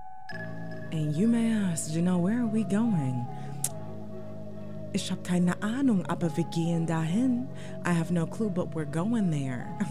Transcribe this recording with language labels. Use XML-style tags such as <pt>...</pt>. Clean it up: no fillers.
<en>And you may ask, Janelle, where are we going?</en> <de>Ich hab keine Ahnung, aber wir gehen dahin.</de> <en>I have no clue, but we're going there.</en>